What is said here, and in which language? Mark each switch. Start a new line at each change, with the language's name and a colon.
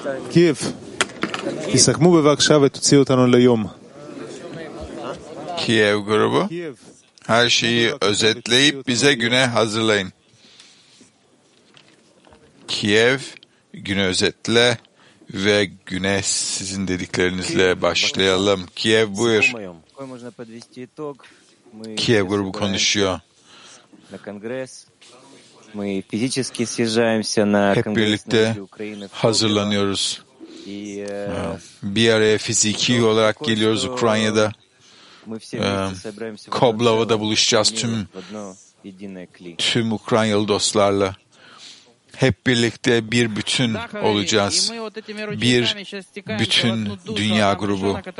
Hebrew: Kiev, תסכמו בבקשה ותוציאו אותנו ליום.
Turkish: Kiev grubu. Her şeyi özetleyip bize güne hazırlayın. Kiev, günü özetle ve güne sizin dediklerinizle başlayalım. Kiev, buyur. Kiev grubu konuşuyor.
Russian: Мы физически съезжаемся на конгрессе Украины.
Turkish: Hazırlanıyoruz. Bir araya fiziki olarak geliyoruz Ukrayna'da. Koblova'da buluşacağız tüm Ukraynalı dostlarla. Hep birlikte bir bütün olacağız. Bir bütün dünya grubu.